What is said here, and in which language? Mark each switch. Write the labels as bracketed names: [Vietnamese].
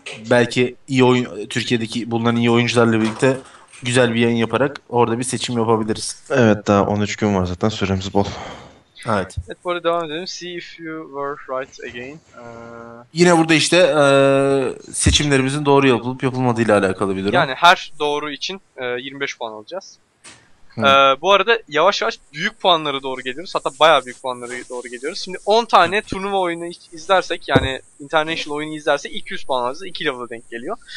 [Turkish] Belki iyi oyun, Türkiye'deki bulunan iyi oyuncularla birlikte güzel bir yayın yaparak orada bir seçim yapabiliriz. Evet, daha 13 gün var zaten, süremiz bol. Evet. Evet, bu arada devam edelim. [English] See if you were right again. [Turkish] Yine burada işte seçimlerimizin doğru yapılıp yapılmadığı ile alakalı bir durum. Yani her doğru için 25 puan alacağız. Bu arada yavaş yavaş büyük puanlara doğru geliyoruz. Hatta bayağı büyük puanlara doğru geliyoruz. Şimdi 10 tane turnuva oyunu izlersek, yani international oyunu izlersek 200 puan alacağız. 2 level'a denk geliyor.